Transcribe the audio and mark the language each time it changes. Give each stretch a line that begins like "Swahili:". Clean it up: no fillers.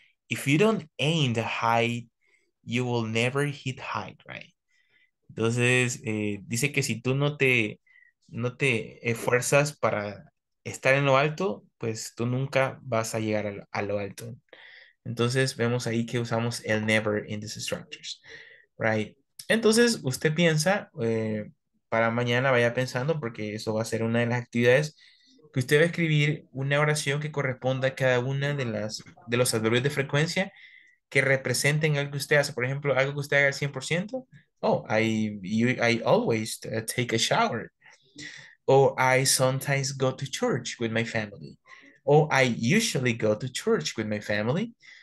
English: If you don't aim the high, you will never hit high, right?
Spanish: Entonces, dice que si tú no te esfuerzas para estar en lo alto, pues tú nunca vas a llegar a lo alto. Entonces, vemos ahí que usamos el never
English: in these structures, right?
Spanish: Entonces, usted piensa, para mañana vaya pensando, porque eso va a ser una de las actividades, que usted va a escribir una oración que corresponda a cada una de los adverbios de frecuencia que representen algo que usted hace, por ejemplo, algo que usted haga al 100%.
English: I always take a shower. Or I sometimes go to church with my family. Or I usually go to church with my family.